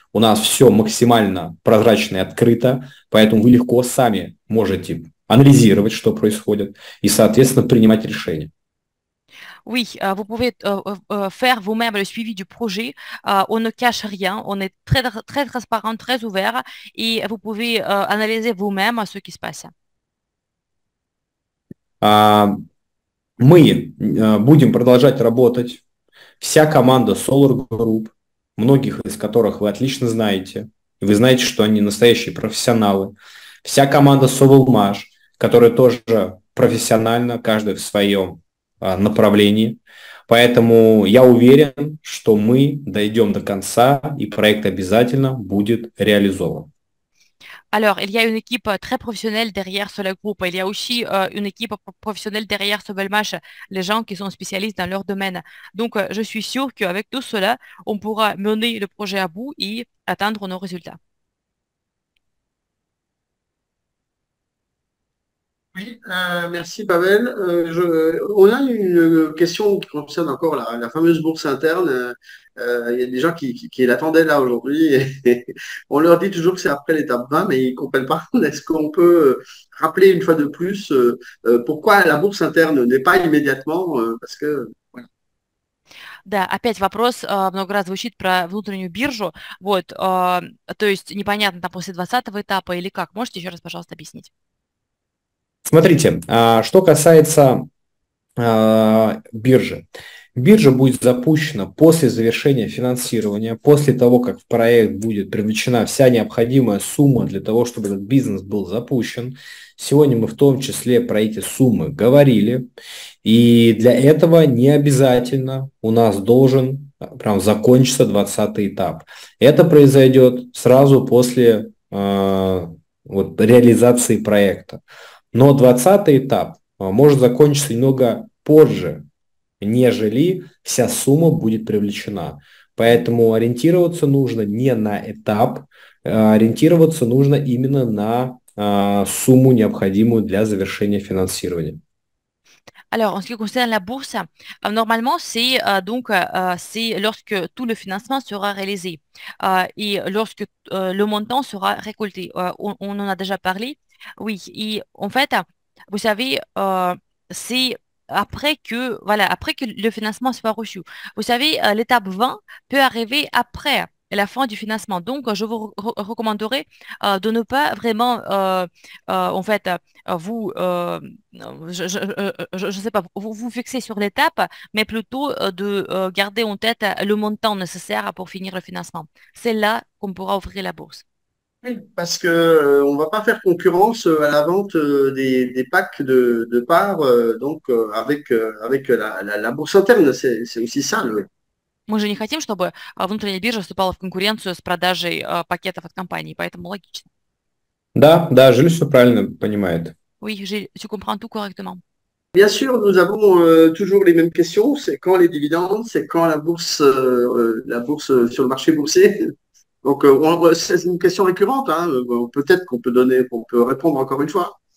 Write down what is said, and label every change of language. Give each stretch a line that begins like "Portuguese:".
Russian: У нас все максимально прозрачно и открыто, поэтому вы легко сами можете анализировать, что происходит, и, соответственно, принимать решения.
French: Oui, vous pouvez faire vous-même le suivi du projet. On ne cache rien. On est très, très transparent, très ouvert. И vous pouvez analyser vous-même ce qui se passe.
Russian: Мы будем продолжать работать. Вся команда Solar Group, многих из которых вы отлично знаете. Вы знаете, что они настоящие профессионалы. Вся команда Sovelmash, которые тоже профессионально, каждый в своем направлении. Поэтому я уверен, что мы дойдем до конца, и проект обязательно будет реализован.
French: Alors, il y a une équipe très professionnelle derrière Solar Group. Il y a aussi une équipe professionnelle derrière Sovelmash, les gens qui sont spécialistes dans leur domaine. Donc, je suis sûr qu'avec tout cela, on pourra mener le projet à bout et atteindre nos résultats. Oui, merci Pavel. On a une question qui concerne encore la fameuse bourse interne. Il y a des gens qui l'attendaient là aujourd'hui. On leur dit toujours que c'est après l'étape 20, mais ils ne comprennent pas. Est-ce qu'on peut rappeler une fois de plus pourquoi la bourse interne n'est pas immédiatement parce que.
Russian: Да, опять вопрос много раз звучит про внутреннюю биржу. Вот, то есть непонятно, там после 20-го этапа или как. Можете еще раз, пожалуйста, объяснить? Смотрите, что касается биржи. Биржа будет запущена после завершения финансирования, после того, как в проект будет привлечена вся необходимая сумма для того, чтобы этот бизнес был запущен. Сегодня мы в том числе про эти суммы говорили. И для этого не обязательно у нас должен прям закончится 20-й этап. Это произойдет сразу после вот, реализации проекта. Но 20-й этап может закончиться немного позже, нежели вся сумма будет привлечена. Поэтому ориентироваться нужно не на этап, ориентироваться нужно именно на сумму, необходимую для завершения финансирования.
French: Alors, en ce qui concerne la bourse, normalement, c'est donc c'est lorsque tout le financement sera réalisé et lorsque le montant sera récolté. On en a déjà parlé. Oui. Et en fait, vous savez, c'est après que voilà, après que le financement sera reçu. Vous savez, l'étape 20 peut arriver après la fin du financement. Donc, je vous recommanderais de ne pas vraiment, en fait, vous, je sais pas, vous vous fixer sur l'étape, mais plutôt de garder en tête le montant nécessaire pour finir le financement. C'est là qu'on pourra ouvrir la bourse. Parce que on va pas faire concurrence à la vente des packs de parts donc avec la bourse interne, c'est aussi ça le.
Russian: Мы же не хотим, чтобы внутренняя биржа вступала в конкуренцию с продажей пакетов от компании, поэтому логично. Да, Жиль все правильно понимает.
French: Oui, tu comprends tout correctement. Bien sûr, nous avons toujours les mêmes questions, c'est quand les dividendes, c'est quand la bourse sur le marché boursier. Donc, c'est une question récurrente, hein. Peut-être qu'on peut donner, qu'on peut répondre encore une fois.